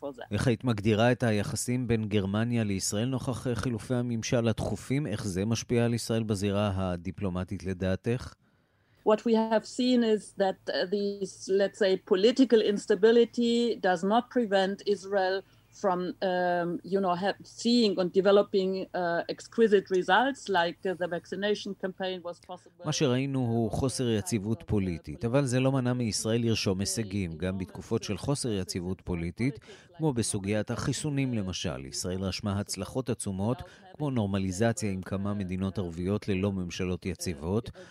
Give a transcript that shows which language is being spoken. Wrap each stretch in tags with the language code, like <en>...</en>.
<he>איך היית מגדירה את היחסים בין גרמניה לישראל נוכח חילופי הממשל התכופים? איך זה משפיע על ישראל בזירה הדיפלומטית לדעתך?</he> <en>What we have seen is that this, let's say, political instability does not prevent Israel from you know seeing and developing exquisite results like the vaccination campaign was possible.</en> <he>מה שראינו הוא חוסר יציבות פוליטית, אבל זה לא מנע מישראל לרשום הישגים גם בתקופות של חוסר יציבות פוליטית, כמו בסוגיית החיסונים למשל. ישראל רשמה הצלחות עצומות, כמו נורמליזציה עם כמה מדינות ערביות ללא ממשלות יציבות.</he>